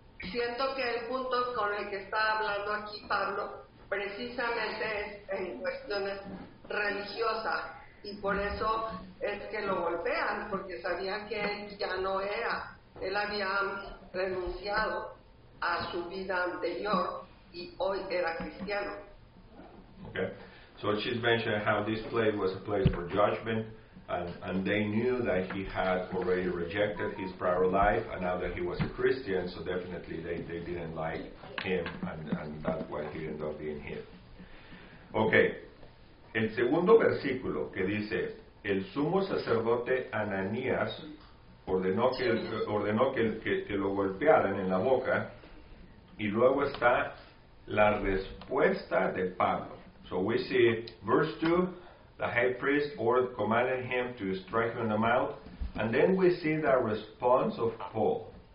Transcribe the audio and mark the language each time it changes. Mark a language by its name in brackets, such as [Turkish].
[Spanish] Siento que el punto con el que está hablando aquí Pablo precisamente es en cuestiones religiosas. Y por eso es que lo golpean, porque sabían que él ya no era. Él había renunciado a su vida anterior y hoy era cristiano. [English] Okay. So she's mentioned how this place was a place for judgment. And they knew that he had already rejected his prior life, and now that he was a Christian, so definitely they didn't like him, and that's why he ended up being here. [Spanish] Okay, el segundo versículo que dice, el sumo sacerdote Ananías ordenó que lo golpearan en la boca, y luego está la respuesta de Pablo. [English] So we see verse 2, the high priest commanded him to strike him in the mouth. And then we see the response of Paul.